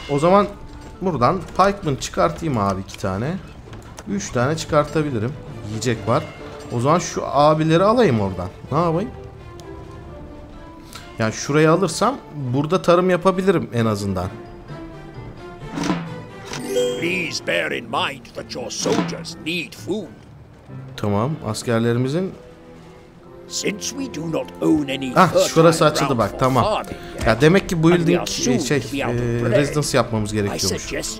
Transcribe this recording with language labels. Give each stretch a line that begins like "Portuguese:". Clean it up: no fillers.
Turkish: O zaman buradan pikeman çıkartayım abi, iki tane. Üç tane çıkartabilirim. Yiyecek var. O zaman şu abileri alayım oradan. Ne yapayım? Yani şurayı alırsam burada tarım yapabilirim en azından.
English: Please bear in mind that your soldiers need food.
Turkish: Tamam, askerlerimizin.
English: Since we do not own any.
Turkish: Şurası açıldı bak, tamam. Ya demek ki bu building şey residence yapmamız gerekiyormuş.